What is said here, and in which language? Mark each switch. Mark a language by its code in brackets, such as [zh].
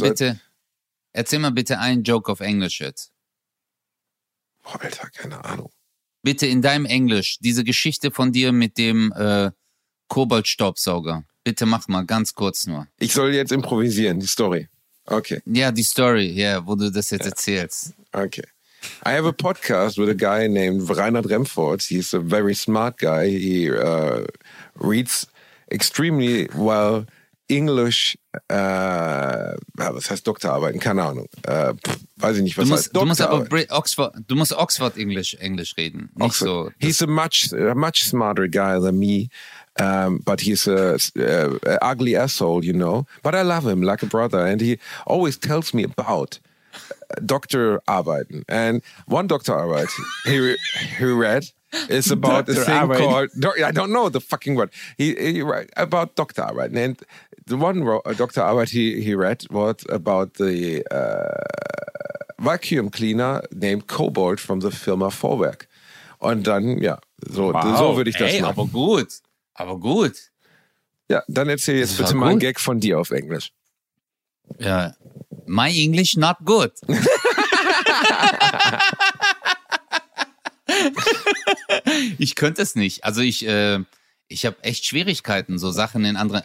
[de] Erzähl mal bitte einen Joke auf Englisch jetzt. Boah, Alter, keine Ahnung. Bitte in deinem Englisch, diese Geschichte von dir mit dem Koboldstaubsauger. Bitte mach mal, ganz kurz nur. Ich soll jetzt improvisieren, die Story. Okay. Ja, die Story, ja, yeah, wo du das jetzt erzählst. Okay. [en] I have a podcast with a guy named Reinhard Remfort. He's a very smart guy. He reads extremely well English. [de] Was heißt Doktorarbeiten? Keine Ahnung. Weiß ich nicht, was du musst, heißt Doktorarbeiten. Du musst aber Oxford-Englisch reden. Nicht Oxford. So. [en] He's a much smarter guy than me. But he's a ugly asshole, you know. But I love him like a brother. And he always tells me about Doktorarbeiten. And one Doktorarbeit he read is about a thing Arbeit. Called... I don't know the fucking word. He write about Doktorarbeiten. And the one Doktorarbeit he read was about the vacuum cleaner named Kobold from the Firma Vorwerk. [de] Und dann, ja, so, wow. So würde ich das machen. Aber gut. Ja, dann erzähl jetzt bitte mal einen Gag von dir auf Englisch. [en] Ja, my English not good. [de] Ich könnte es nicht. Also ich habe echt Schwierigkeiten, so Sachen in anderen...